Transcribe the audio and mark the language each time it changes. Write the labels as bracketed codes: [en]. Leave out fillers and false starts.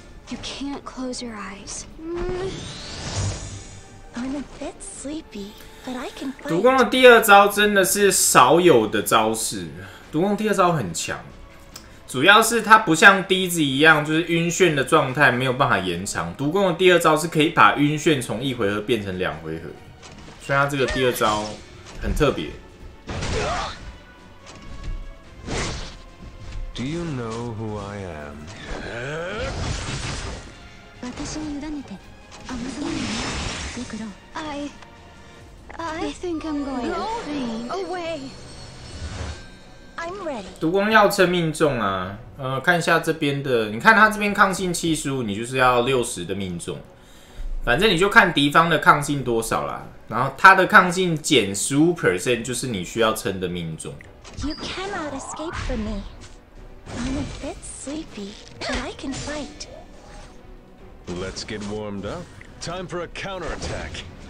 [en] You can't close your eyes. I'm a bit sleepy, but I can fight. [zh] 毒攻的第二招真的是少有的招式，毒攻第二招很强，主要是它不像第一只一样，就是晕眩的状态没有办法延长。毒攻的第二招是可以把晕眩从一回合变成两回合，所以它这个第二招很特别。 [en] Do you know who I am? [ja] 私に委ねて、甘すぎるね。よくろ。 [en] I think I'm going to faint. Away. [zh] 毒光要撑命中啊，看一下这边的，你看他这边抗性75，你就是要60的命中，反正你就看敌方的抗性多少啦，然后他的抗性减 15% 就是你需要撑的命中。 [en] You cannot escape from me. I'm a bit sleepy, but I can fight. Let's get warmed up. Time for a counterattack.